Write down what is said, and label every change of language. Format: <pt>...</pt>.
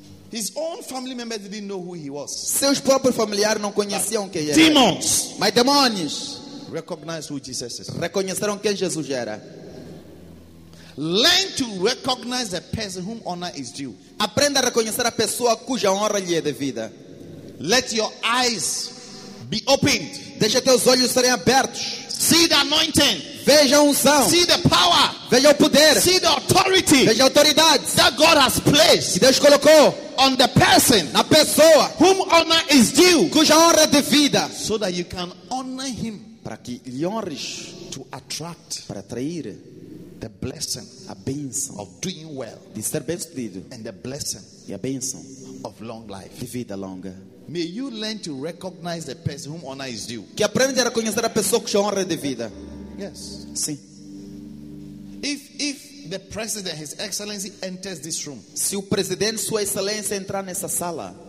<en>His own family members didn't know who he was.</en> <pt>Seus próprios familiares não conheciam quem era.</pt> <en>Demons, my</en> <pt>demônios.</pt> <en>Recognize who Jesus is.</en> <pt>Reconheceram quem Jesus era.</pt> <en>Learn to recognize the person whom honor is due.</en> <pt>Aprenda a reconhecer a pessoa cuja honra lhe é devida.</pt> <en>Let your eyes be opened.</en> <pt>Deixa teus olhos serem abertos.</pt> <en>See the anointing.</en> <pt>Veja a unção.</pt> <en>See the power.</en> <pt>Veja o poder.</pt> <en>See the authority.</en> <pt>Veja a autoridade.</pt> <en>That God has placed.</en> <pt>Que Deus colocou.</pt> <en>On the person,</en> <pt>na pessoa,</pt> <en>whom honor is due.</en> <pt>Cuja honra é devida.</pt> <en>So that you can honor him.</en> <pt>Para que lhe honres,</pt> <en>to attract,</en> <pt>para atrair,</pt> <en>the blessing,</en> <pt>a bênção,</pt> <en>of doing well,</en> <pt>de ser bem sucedido,</pt> <en>and the blessing,</en> <pt>e a bênção,</pt> <en>of long life,</en> <pt>de vida longa.</pt> <en>May you learn to recognize the person whom honor is due.</en> <pt>Que aprenda a reconhecer a pessoa que honra de vida.</pt> <en>Yes.</en> <pt>Sim.</pt> <en>If the president, his excellency, enters this room,</en> <pt>se o presidente, sua excelência, entrar nessa sala,</pt>